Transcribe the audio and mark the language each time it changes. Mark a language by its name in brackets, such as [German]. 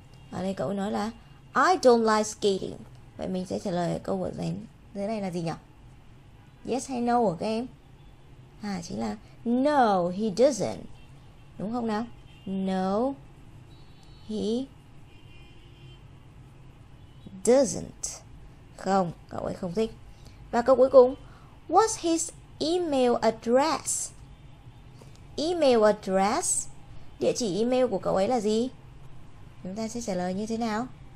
[Vietnamese] Ở đây cậu ấy nói là [English] I don't like skating. [Vietnamese] Vậy mình sẽ trả lời câu vừa rồi dưới này là gì nhỉ? Yes hay no của các em? À, chính là [English] no, he doesn't. [Vietnamese] Đúng không nào? [English] No, he doesn't. [Vietnamese] Không, cậu ấy không thích. Và câu cuối cùng, [English] what's his email address? [Vietnamese] Email address, địa chỉ email của cậu ấy là gì? Chúng ta sẽ trả lời như thế nào?